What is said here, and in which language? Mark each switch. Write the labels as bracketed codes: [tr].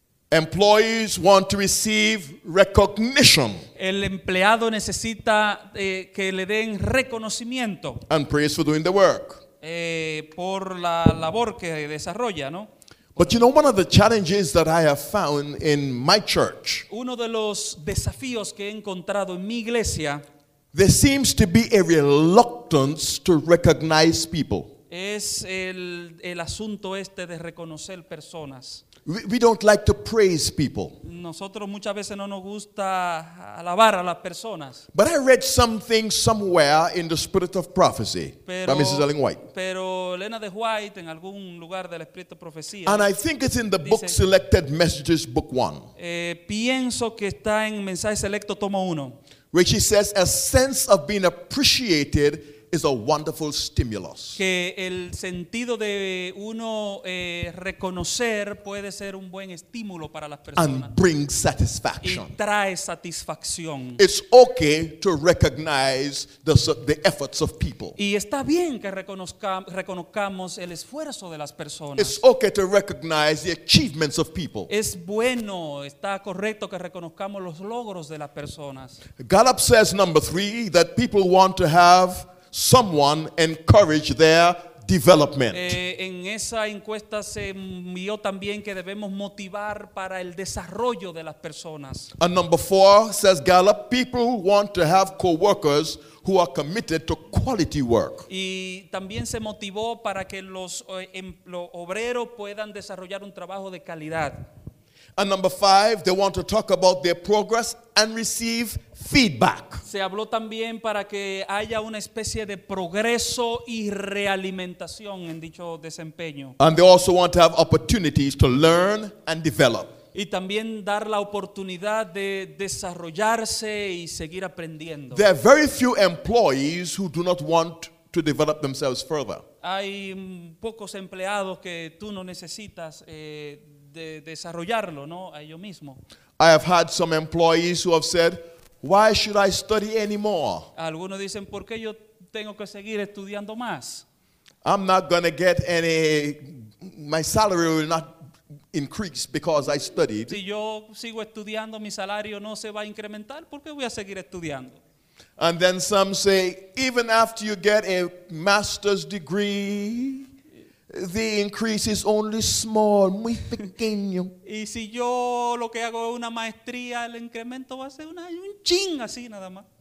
[en] Employees want to receive recognition. [es] El empleado necesita que le den reconocimiento. [en] And praise for doing the work. [es] Por la labor que desarrolla, ¿no? [en] But you know, one of the challenges that I have found in my church. [es] Uno de los desafíos que he encontrado en mi iglesia. [en] There seems to be a reluctance to recognize people. [es] Es el asunto este de reconocer personas. [en] We don't like to praise people. [es] Nosotros muchas veces no nos gusta alabar a las personas. [en] But I read something somewhere in the Spirit of Prophecy by Mrs. Ellen White. [es] Pero Elena de White en algún lugar del Espíritu de Profecía. [en] And I think it's in the book Selected Messages, Book 1. [es] Pienso que está en Mensaje Selecto, Tomo 1. [en] Where she says a sense of being appreciated is a wonderful stimulus. [es] Que el sentido de uno reconocer puede ser un buen estímulo para las personas. [en] And bring satisfaction. [es] Y trae satisfacción. [en] It's okay to recognize the efforts of people. [es] Y está bien que reconozcamos el esfuerzo de las personas. [en] It's okay to recognize the achievements of people. [es] Es bueno, está correcto que reconozcamos los logros de las personas. [en] Gallup says number three that people want to have someone encourage their development. [es] En esa encuesta se vio también que debemos motivar para el desarrollo de las personas. [en] And number four, says Gallup, people want to have co-workers who are committed to quality work. [es] Y también se motivó para que los obreros puedan desarrollar un trabajo de calidad. [en] And number five, they want to talk about their progress and receive feedback. [es] Se habló también para que haya una especie de progreso y realimentación en dicho desempeño. [en] And they also want to have opportunities to learn and develop. [es] Y también dar la oportunidad de desarrollarse y seguir aprendiendo. [en] There are very few employees who do not want to develop themselves further. [es] Hay pocos empleados que tú no necesitas de desarrollarlo, ¿no? A ellos mismos. [en] I have had some employees who have said, why should I study anymore? [es] Algunos dicen, ¿por qué yo tengo que seguir estudiando más? [en] I'm not going to get any, my salary will not increase because I studied. [es] Si yo sigo estudiando, mi salario no se va a incrementar, ¿por qué voy a seguir estudiando? [en] And then some say, even after you get a master's degree, the increase is only small, [es] muy pequeño. Y si yo lo que hago es una maestría, el incremento va a ser un ching así nada más.